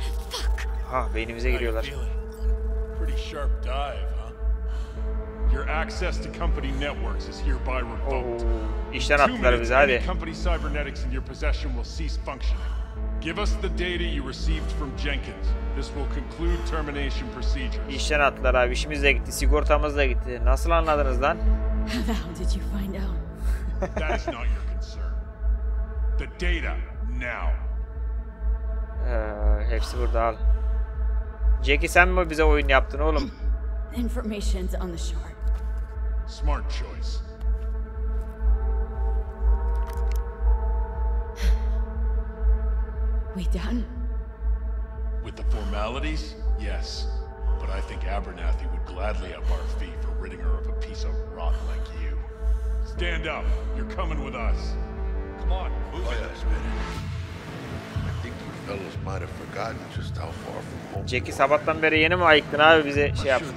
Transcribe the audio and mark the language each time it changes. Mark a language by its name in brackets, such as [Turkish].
[Turkish] Fuck. Ah, beynimize giriyorlar. [English] Pretty sharp dive, huh? Your access to company networks is hereby revoked. [Turkish] Oh, işten attılar bizi hadi. [English] Company cybernetics in your possession will cease functioning. Give us the data you received from Jenkins. This will conclude termination procedures. [Turkish] İşten attılar abi, işimiz de gitti, sigortamız da gitti. Nasıl anladınız lan? [English] How the hell did you find out? That is not your concern. The data, now. [Turkish] Hepsi burada al. Jackie, sen mi bize oyun yaptın oğlum? [English] Information's on the shore. Smart choice. We done? With the formalities, yes. But I think Abernathy would gladly up our fee for ridding her of a piece of rot like you. Stand up. You're coming with us. Come on, move it. I think you fellows might have forgotten just how far from home. [Turkish] Jackie, sabahtan beri yeni mi ayıktın abi bize şey yaptın